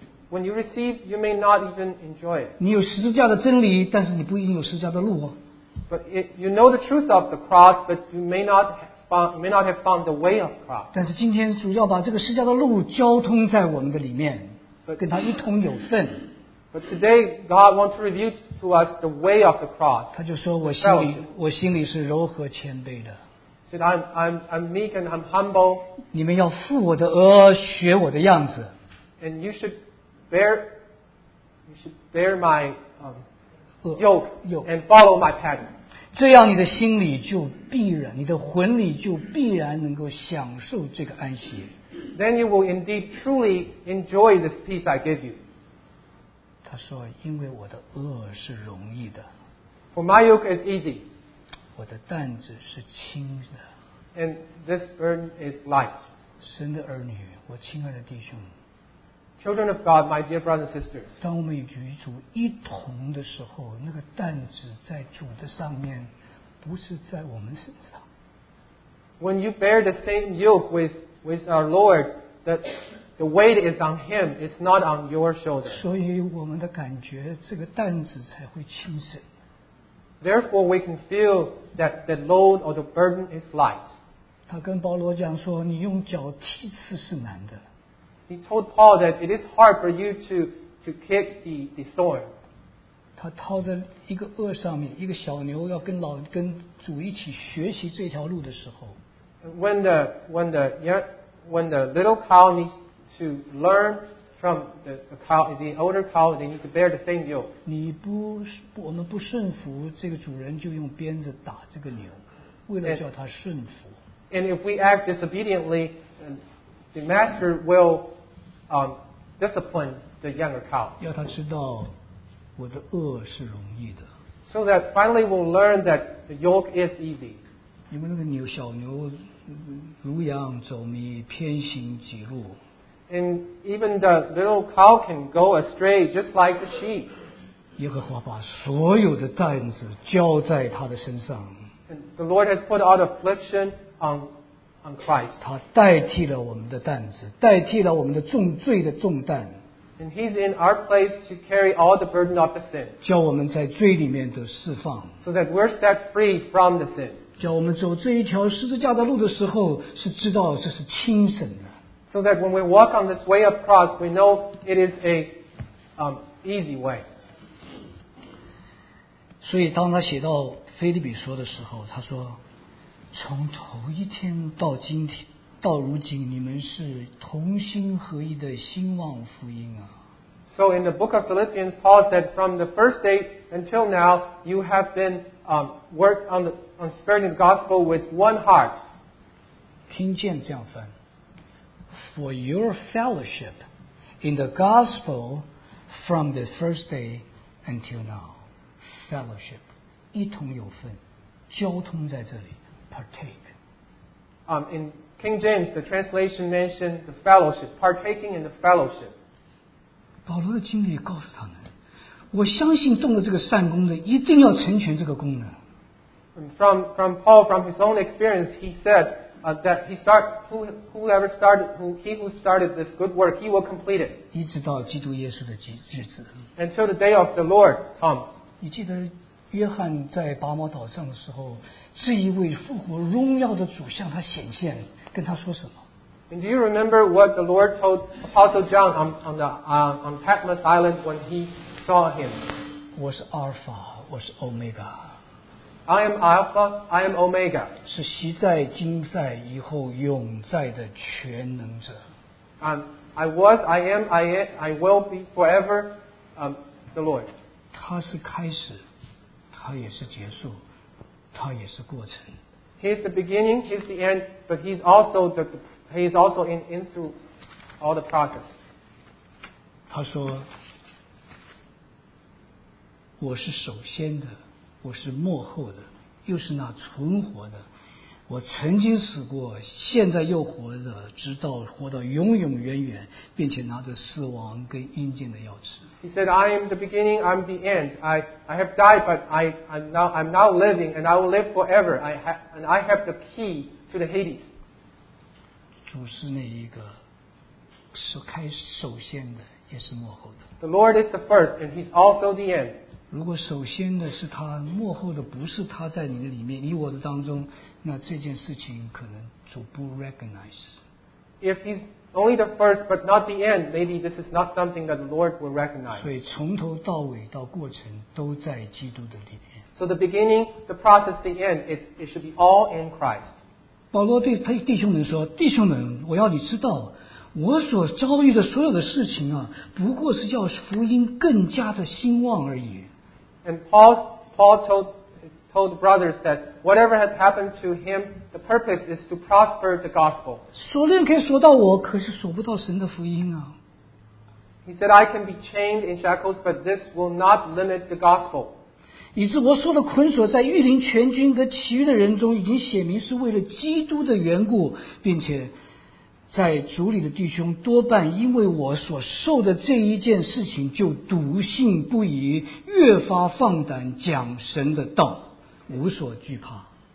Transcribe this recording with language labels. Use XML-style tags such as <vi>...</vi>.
<en>When you receive, you may not even enjoy it.</en> <zh>你有十字架的真理但是你不一定有十字架的路哦。</zh> <en>But you know the truth of the cross, but you may not have found the way of the cross.</en> <zh>但是今天主要把这个十字架的路交通在我们的里面跟他一同有份。</zh> <en>But today, God wants to reveal to us the way of the cross.</en> <zh>他就说我心里是柔和谦卑的。</zh> <en>He said, I'm meek and I'm humble.</en> <zh>你们要负我的轭学我的样子。</zh> <en>And you should bear my yoke and follow my pattern.</en> <zh>这样你的心里就必然，你的魂里就必然能够享受这个安息。</zh> <en>Then you will indeed truly enjoy this peace I give you.</en> <zh>他说：“因为我的轭是容易的。</zh> <en>For my yoke is easy.</en> <zh>我的担子是轻的。</zh> <en>And this burden is light.</en> <zh>神的儿女，我亲爱的弟兄。”</zh> <en>Children of God, my dear brothers and sisters.</en> <zh>当我们与主一同的时候，那个担子在主的上面，不是在我们身上。</zh> <en>When you bear the same yoke with our Lord, the weight is on Him; it's not on your shoulders.</en> <zh>所以我们的感觉，这个担子才会轻省。</zh> <en>Therefore, we can feel that the load or the burden is light.</en> <zh>他跟保罗讲说，你用脚踢刺是难的。</zh> <en>He told Paul that it is hard for you to kick the thorn.</en> <zh>他套在一个轭上面，一个小牛要跟主一起学习这条路的时候。</zh> <en>When the little cow needs to learn from the cow, the older cow, they need to bear the same yoke.</en> <zh>我们不顺服这个主人，就用鞭子打这个牛，为了叫他顺服。</zh> <en>And if we act disobediently, the master will discipline the younger cow.</en> <zh>要他知道我的轭是容易的。</zh> <en>So that finally we'll learn that the yoke is easy.</en> <zh>因为那个牛小牛如羊走迷偏行几路。</zh> <en>And even the little cow can go astray just like the sheep.</en> <zh>耶和华把所有的担子交在他的身上。</zh> <en>And the Lord has put all the affliction on Christ.</en> <zh>他代替了我们的担子，代替了我们的重罪的重担。</zh> <en>And He's in our place to carry all the burden of the sin.</en> <zh>叫我们在罪里面得释放。</zh> <en>So that we're set free from the sin.</en> <zh>叫我们走这一条十字架的路的时候，是知道这是轻省的。</zh> <en>So that when we walk on this way of cross, we know it is a easy way.</en> <zh>所以当他写到腓立比书的时候，他说。从头一天到今天到如今你们是同心合一的兴旺福音啊。</zh> <en>So in the book of Philippians, Paul said from the first day until now, you have been worked on spreading the gospel with one heart.</en> <zh>听见这样翻。</zh> <en>For your fellowship in the gospel from the first day until now. Fellowship.</en> <zh>一同有份。交通在这里。</zh> <en>Partake. In King James, the translation mentioned the fellowship, partaking in the fellowship.</en> <zh>保罗的经历告诉他们，我相信动了这个善功的，一定要成全这个功能。</zh> <en>From Paul, from his own experience, he said that he who started this good work, he will complete it.</en> <zh>一直到基督耶稣的日子。</zh> <en>Until the day of the Lord comes.</en> <zh>你记得约翰在拔摩岛上的时候。这一位复活荣耀的主向他显现，跟他说什么</zh> <en>？And do you remember what the Lord told Apostle John on Patmos Island when he saw him?</en> <zh>我是 Alpha， 我是 Omega。</zh> <en>I am Alpha， I am Omega。</en> <zh>是昔在、今在、以后永在的全能者。</zh> <en>I was, I am, I will be forever, the Lord。</en> <zh>他是开始，他也是结束。他也是过程。</zh> <en>He is the beginning, he is the end, but he is also in through all the process.</en> <zh>他说，我是首先的，我是末后的，又是那存活的。我曾经死过，现在又活着，直到活到永永远远，并且拿着死亡跟阴间的钥匙。</zh> <en>He said, I am the beginning, I'm the end. I have died, but I'm now living, and I will live forever. I have the key to the Hades.</en> <zh>主是那一个是开首先的，也是末后的。</zh> <en>The Lord is the first, and He's also the end.</en> <zh>如果首先的是他，末后的不是他在你的里面，你我的当中，那这件事情可能主不</zh> <en>recognize。 If He's only the first but not the end, maybe this is not something that the Lord will recognize.</en> <zh>所以从头到尾到过程都在基督的里面。</zh> <en>So the beginning, the process, the end, it should be all in Christ.</en> <zh>保罗对他弟兄们说：“弟兄们，我要你知道。” 我所遭遇的所有的事情啊，不过是叫福音更加的兴旺而已。</zh> <en>And Paul told brothers that whatever had happened to him, the purpose is to prosper the gospel.</en> <zh>锁链可以锁到我，可是锁不到神的福音啊。</zh> <en>He said, I can be chained in shackles, but this will not limit the gospel.</en> <zh>以致我受的捆锁，在御林全军和其余的人中已经显明是为了基督的缘故，并且。在主里的弟兄多半因为我所受的这一件事情就笃信不疑，越发放胆讲神的道，无所惧怕。</zh>